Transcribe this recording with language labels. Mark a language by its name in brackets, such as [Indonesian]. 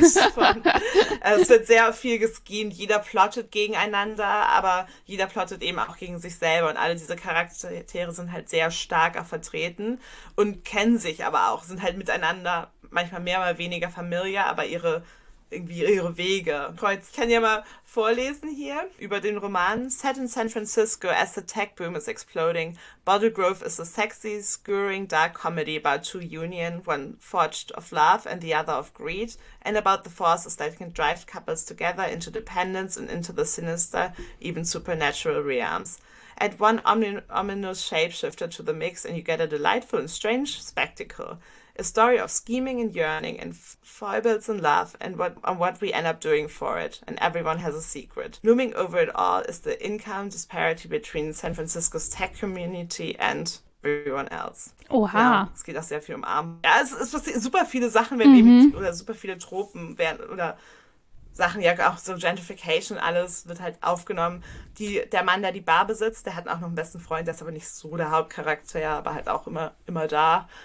[German] es wird sehr viel geschehen. Jeder plottet gegeneinander, aber jeder plottet eben auch gegen sich selber. Und alle diese Charaktere sind halt sehr stark vertreten und kennen sich aber auch, sind halt miteinander manchmal mehr oder weniger familiar, aber ihre Wege. Kreuz, ich kann ja mal vorlesen hier über den Roman. [English] Set in San Francisco as the tech boom is exploding, Bottle Grove is a sexy, scurrying, dark comedy about two union, one forged of love and the other of greed, and about the forces that can drive couples together into dependence and into the sinister, even supernatural realms. Add one ominous shapeshifter to the mix and you get a delightful and strange spectacle. A story of scheming and yearning and foibles and love and what we end up doing for it. And everyone has a secret. Looming over it all is the income disparity between San Francisco's tech community and everyone else. [German] Oha. Ja, es geht auch sehr viel um Arm. Ja, es passiert super viele Sachen, wenn eben, oder super viele Tropen werden, oder Sachen, ja, auch so Gentrification, alles wird halt aufgenommen. Der Mann, der die Bar besitzt, der hat auch noch einen besten Freund, der ist aber nicht so der Hauptcharakter, aber halt auch immer da.